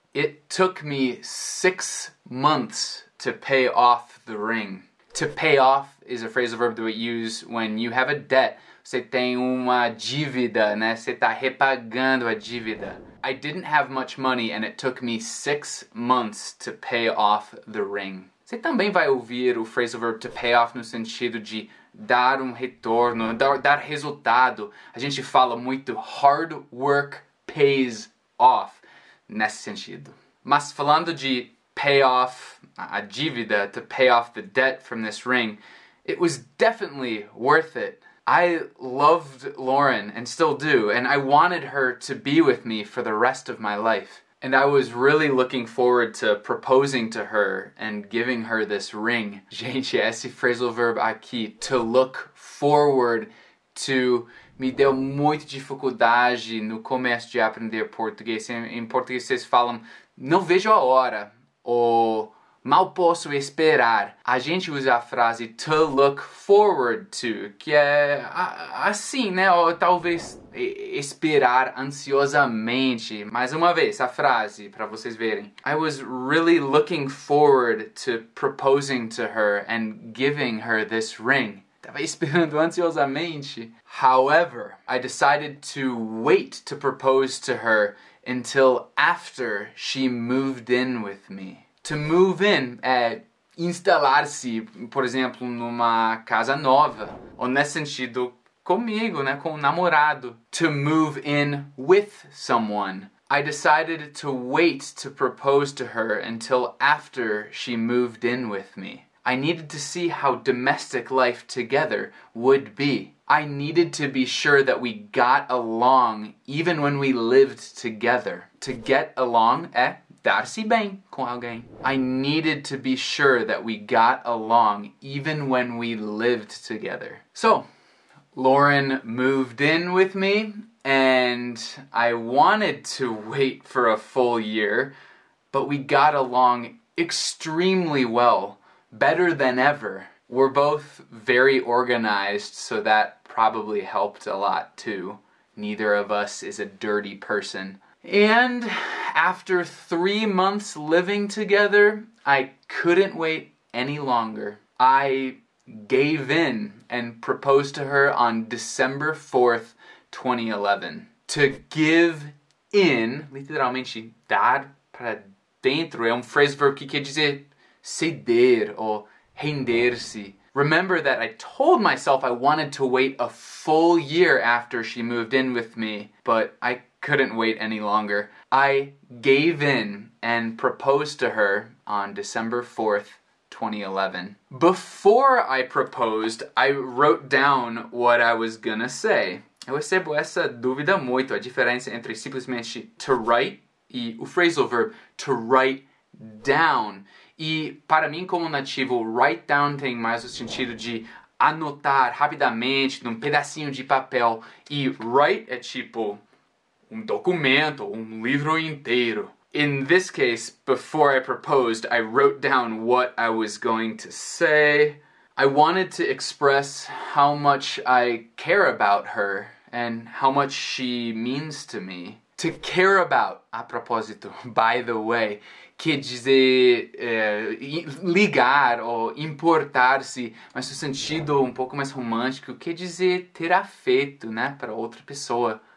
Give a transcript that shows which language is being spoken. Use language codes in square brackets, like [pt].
[en] It took me 6 months to pay off the ring. To pay off is a phrasal verb that we use when you have a debt. [pt] Você tem uma dívida, né? Você tá repagando a dívida. [en] I didn't have much money and it took me 6 months to pay off the ring. [pt] Você também vai ouvir o phrasal verb to pay off no sentido de dar retorno, dar resultado. A gente fala muito [en] hard work pays off [pt] nesse sentido. Mas falando de pay off a dívida, [en] to pay off the debt from this ring, it was definitely worth it. I loved Lauren and still do, and I wanted her to be with me for the rest of my life. And I was really looking forward to proposing to her and giving her this ring. [pt] Gente, esse phrasal verb aqui, to look forward to, me deu muita dificuldade no começo de aprender português. Em português vocês falam, não vejo a hora, ou mal posso esperar. A gente usa a frase to look forward to, que é assim, né? Ou talvez esperar ansiosamente. Mais uma vez, a frase, para vocês verem. [en] I was really looking forward to proposing to her and giving her this ring. [pt] Tava esperando ansiosamente. [en] However, I decided to wait to propose to her until after she moved in with me. [pt] To move in é instalar-se, por exemplo, numa casa nova. Ou nesse sentido, comigo, né? Com um namorado. [en] To move in with someone. I decided to wait to propose to her until after she moved in with me. I needed to see how domestic life together would be. I needed to be sure that we got along even when we lived together. [pt] To get along é dar-se bem com alguém. [en] I needed to be sure that we got along even when we lived together. So, Lauren moved in with me and I wanted to wait for a full year, but we got along extremely well, better than ever. We're both very organized, so that probably helped a lot too. Neither of us is a dirty person. And after 3 months living together, I couldn't wait any longer. I gave in and proposed to her on December 4th, 2011. [pt] To give in, literalmente, dar para dentro, é um phrase verb que quer dizer ceder ou render-se. [en] Remember that I told myself I wanted to wait a full year after she moved in with me, but I couldn't wait any longer. I gave in and proposed to her on December 4th, 2011. Before I proposed, I wrote down what I was gonna say. [pt] Eu recebo essa dúvida muito, a diferença entre simplesmente to write e o phrasal verb to write down. E para mim como nativo, write down tem mais o sentido de anotar rapidamente num pedacinho de papel. E write é tipo um documento, um livro inteiro. [en] in this case, before I proposed, I wrote down what I was going to say. I wanted to express how much I care about her and how much she means to me. [pt] To care about, a proposito, [en] by the way, [pt] que dizer ligar ou importar-se, mas no sentido um pouco mais romântico, que dizer ter afeto, né, para outra pessoa.